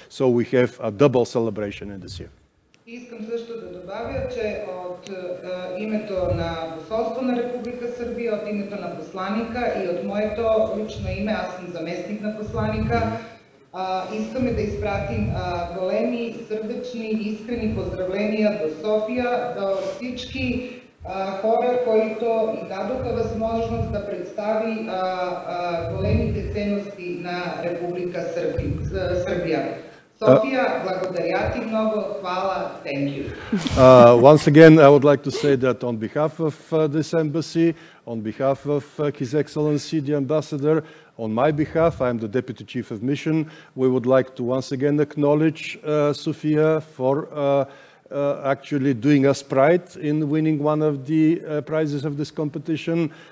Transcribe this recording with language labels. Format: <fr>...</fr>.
<en>So we have a double celebration in this year.</en> <bg>Искам също да добавя, че от името на посолство на Република Сърбия, от името на посланика и от моето лично име, аз съм заместник на посланика, искаме да изпратим големи, сърдечни, искрени поздравления до София, до всички хора, които и дадоха възможност да представи големите ценности на Република Сърбия. София, благодаря ти много, хвала,</bg> <en>thank you. Once again, I would like to say that on behalf of this embassy, on behalf of His Excellency the Ambassador, on my behalf, I am the Deputy Chief of Mission, we would like to once again acknowledge Sofia for actually doing us pride in winning one of the prizes of this competition.</en>